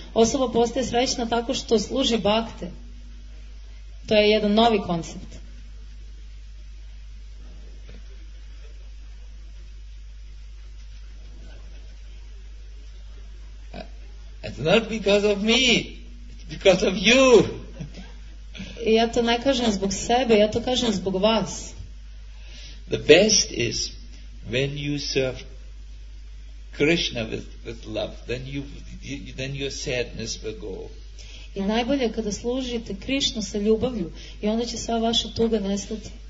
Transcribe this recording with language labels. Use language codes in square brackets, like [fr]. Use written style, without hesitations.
[sr] Osoba postaje srećna tako što služi bhakte. To je jedan novi koncept. [en] It's not because of me, it's because of you. [sr] Ja to ne kažem zbog sebe, ja to kažem zbog vas. [en] The best is when you serve Krishna with love, then your sadness will go. [sr] I najbolje kada služite Krishnu sa ljubavlju i onda će sva vaša tuga nestati.